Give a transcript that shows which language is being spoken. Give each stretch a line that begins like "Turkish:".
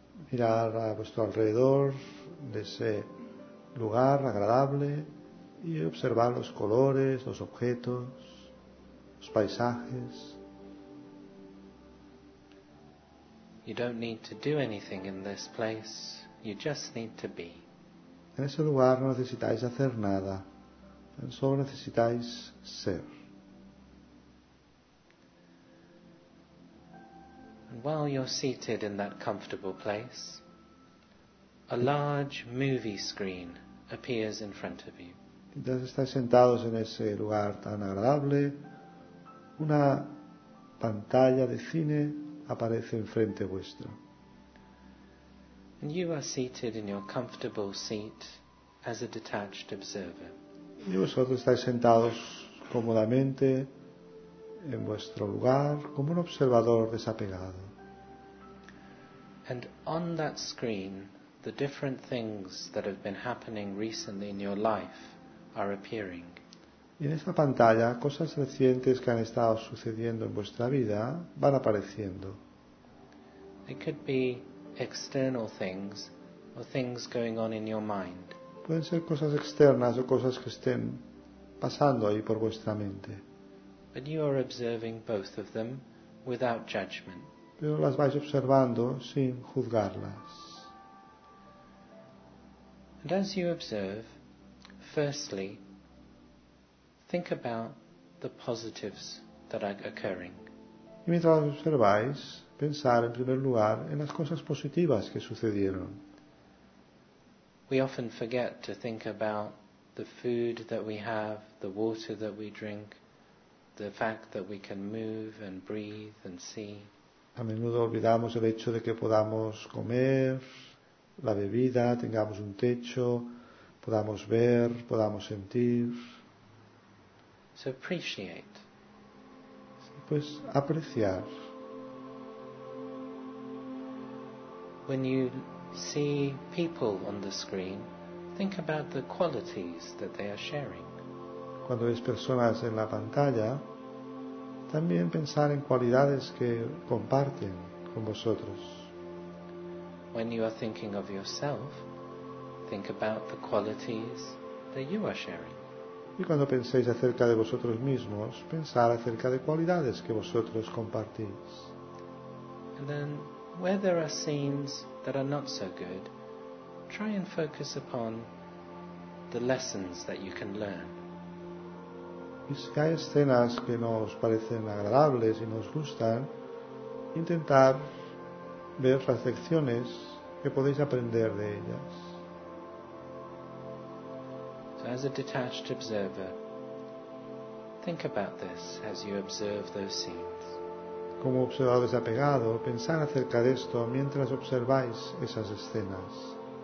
Spanish: Mirad a vuestro alrededor de ese lugar agradable y observar los colores, los objetos, los paisajes.
English: You don't need to do anything in this place, you just need to be.
Spanish: En ese lugar no necesitáis hacer nada, solo necesitáis ser.
English: And while you're seated in that comfortable place, a large movie screen appears in front of you.
Spanish: Entonces estáis sentados en ese lugar tan agradable, una pantalla de cine aparece enfrente vuestro.
English: And you are seated in your comfortable seat as a detached observer.
Spanish: Y vosotros estáis sentados cómodamente en vuestro lugar como un observador desapegado.
English: And on that screen, the different things that have been happening recently in your life are appearing.
Spanish: Y en esa pantalla, cosas recientes que han estado sucediendo en vuestra vida van apareciendo.
English: They could be external things or things going on in your mind.
Spanish: Pueden ser cosas externas o cosas que estén pasando ahí por vuestra mente.
English: But you are observing both of them without judgment.
Spanish: Pero las vais observando sin juzgarlas.
English: And as you observe, firstly, think about the positives that are occurring.
Spanish: Y mientras observáis, pensar en primer lugar en las cosas positivas que sucedieron.
English: We often forget to think about the food that we have, the water that we drink, the fact that we can move and breathe and see.
Spanish: A menudo olvidamos el hecho de que podamos comer, la bebida, tengamos un techo, podamos ver, podamos sentir.
English: So appreciate.
Spanish: Pues apreciar.
English: When you see people on the screen, think about the qualities that they are sharing.
Spanish: Cuando ves personas en la pantalla, también pensar en cualidades que comparten con vosotros.
English: When you are thinking of yourself, think about the qualities that you are sharing.
Spanish: Y cuando penséis acerca de vosotros mismos, pensar acerca de cualidades que vosotros compartís.
English: And then, where there are scenes that are not so good, try and focus upon the lessons that you can learn.
Spanish: Y si hay escenas que no os parecen agradables y no os gustan, intentad ver las lecciones que podéis aprender de ellas.
English: So as a detached observer, think about this as you observe those scenes.
Spanish: Como observador desapegado, pensad acerca de esto mientras observáis esas escenas.